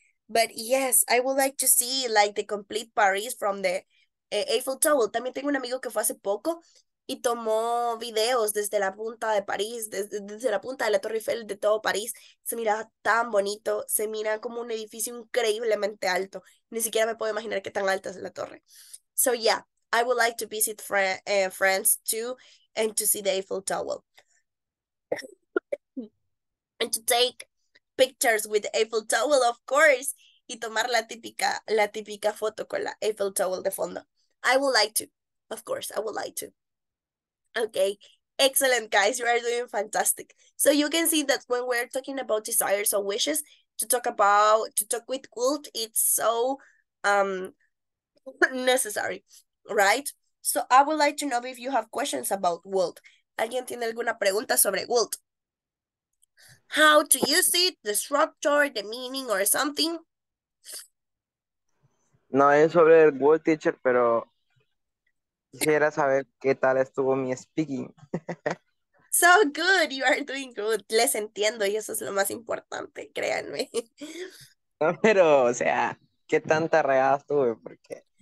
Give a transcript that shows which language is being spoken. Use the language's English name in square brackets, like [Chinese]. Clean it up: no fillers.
[English] But yes, I would like to see like the complete Paris from the Eiffel Tower. [Spanish] También tengo un amigo que fue hace poco y tomó videos desde la punta de París, desde la punta de la Torre Eiffel, de todo París. Se mira tan bonito, se mira como un edificio increíblemente alto. Ni siquiera me puedo imaginar qué tan alta es la torre. [English] So yeah, I would like to visit France too and to see the Eiffel Tower. And to take pictures with the Eiffel Tower, of course. [Spanish] Y tomar la típica foto con la Eiffel Tower de fondo. [English] I would like to. Of course, I would like to. Okay. Excellent, guys. You are doing fantastic. So you can see that when we're talking about desires or wishes, to talk with Quilt, it's so necessary, right? So I would like to know if you have questions about Quilt. [Spanish] ¿Alguien tiene alguna pregunta sobre Quilt? [English] How to use it, the structure, the meaning, or something? [Spanish] No, es sobre el word teacher, pero quisiera saber qué tal estuvo mi speaking. [English] So good, you are doing good. [Spanish] Les entiendo, y eso es lo más importante, créanme. No, pero, o sea, qué tanta regada estuve, porque...